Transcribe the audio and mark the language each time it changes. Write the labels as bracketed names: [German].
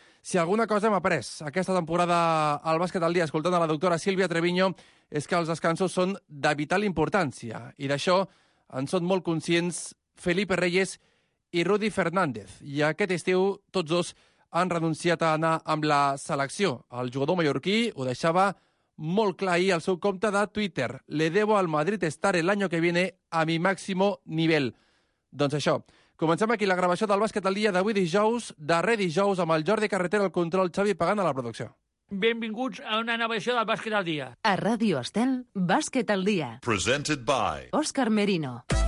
[Catalan] Si alguna cosa hem après aquesta temporada al Bàsquet al Dia escoltant a la doctora Sílvia Treviño és que els descansos són de vital importància i d'això en són molt conscients Felipe Reyes i Rudy Fernández. I aquest estiu tots dos han renunciat a anar amb la selecció. El jugador mallorquí ho deixava molt clar ahir al seu compte de Twitter. [Spanish] Le debo al Madrid estar el año que viene a mi máximo nivel. [Catalan] Doncs això. Comencem aquí la gravació del Bàsquet al Dia d'avui dijous, darrer dijous, amb el Jordi Carretero al control, Xavi Pagant a la producció. Benvinguts a una nova edició del Bàsquet al Dia. A Ràdio Estel, Bàsquet al Dia. [English] Presented by [Catalan] Òscar Merino.